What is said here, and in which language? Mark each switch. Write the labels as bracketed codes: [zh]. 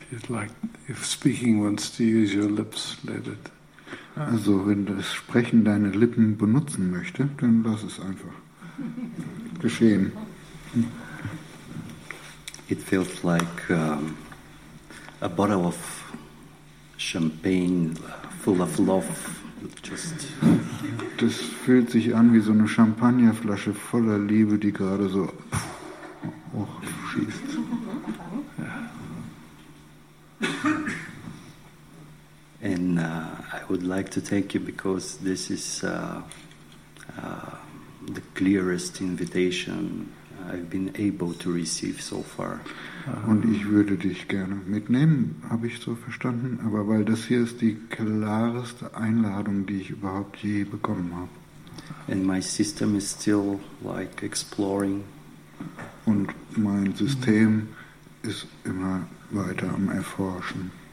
[en] Like if speaking wants to use your lips, let it. [de] Also, wenn das Sprechen deine Lippen benutzen möchte, dann lass es einfach geschehen. [en] It feels like a bottle of champagne full of love. Just. [de] Das fühlt sich an wie so eine Champagnerflasche voller Liebe, die gerade so hochschießt. [en] And I would like to thank you because this is the clearest invitation I've been able to receive so far. [de] Und ich würde dich gerne mitnehmen, habe ich so verstanden, aber weil das hier ist die klareste Einladung, die ich überhaupt je bekommen habe. [en] And my system is still like exploring. [de] Und mein System ist immer weiter am Erforschen.